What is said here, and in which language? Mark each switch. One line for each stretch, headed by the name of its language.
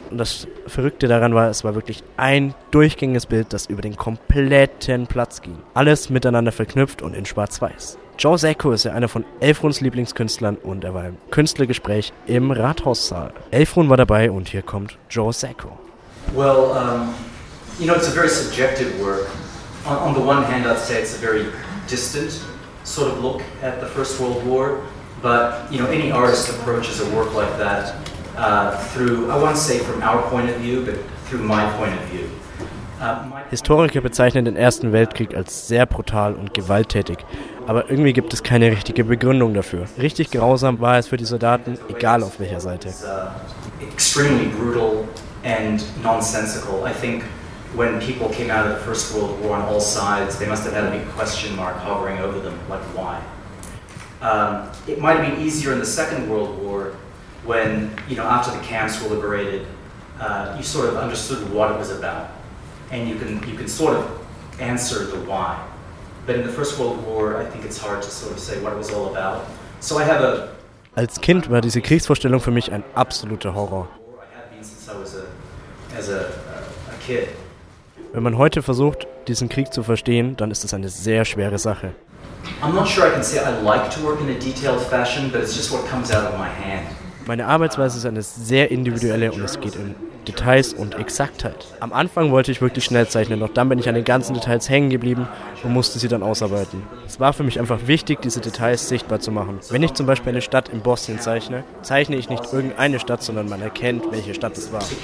German: Und das Verrückte daran war, es war wirklich ein durchgängiges Bild, das über den kompletten Platz ging. Alles miteinander verknüpft und in Schwarz-Weiß. Joe Sacco ist ja einer von Elfruns Lieblingskünstlern und er war im Künstlergespräch im Rathaussaal. Elfrun war dabei und hier kommt Joe Sacco.
English: Well, you know, it's a very subjective work. On the one hand, I'd say it's a very distant sort of look at the First World War. But, you know, any artist approaches a work like that through, I won't say from our point of view, but through my point of view.
German: Historiker bezeichnen den Ersten Weltkrieg als sehr brutal und gewalttätig, aber irgendwie gibt es keine richtige Begründung dafür. Richtig grausam war es für die Soldaten, egal auf welcher Seite.
English: Extremely brutal and nonsensical. I think when people came out of the First World War on all sides, they must have had a big question mark hovering over them, like why? It might have been easier in the Second World War when, you know, after the camps were liberated, you sort of understood what it was about. And you can sort of answer the why. But in the First World War, I think it's hard to sort of say what it was all about. So I have a...
German: Als Kind war diese Kriegsvorstellung für mich ein absoluter Horror.
English: I have been since I was a kid.
German: Wenn man heute versucht, diesen Krieg zu verstehen, dann ist das eine sehr schwere Sache.
English: I'm not sure I can say I like to work in a detailed fashion, but it's just what comes out of my hand.
German: Meine Arbeitsweise ist eine sehr individuelle und es geht um Details und Exaktheit. Am Anfang wollte ich wirklich schnell zeichnen, doch dann bin ich an den ganzen Details hängen geblieben und musste sie dann ausarbeiten. Es war für mich einfach wichtig, diese Details sichtbar zu machen. Wenn ich zum Beispiel eine Stadt in Bosnien zeichne, zeichne ich nicht irgendeine Stadt, sondern man erkennt, welche Stadt es war.